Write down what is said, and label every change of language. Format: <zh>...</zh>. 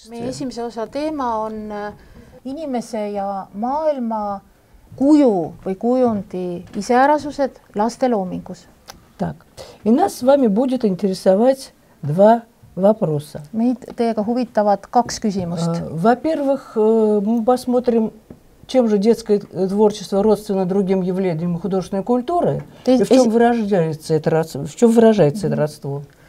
<et>Meie esimese osa teema on inimese ja maailma kuju või kujundi iseärasused laste loomingus.</et> <ru>Так. И нас с вами будет интересовать два вопроса.</ru> <et>Meid teiega huvitavad kaks küsimust.</et> <ru>Во-первых, мы посмотрим, чем же детское творчество родственно другим явлениям художественной культуры, и в чём выражается это родство.</ru>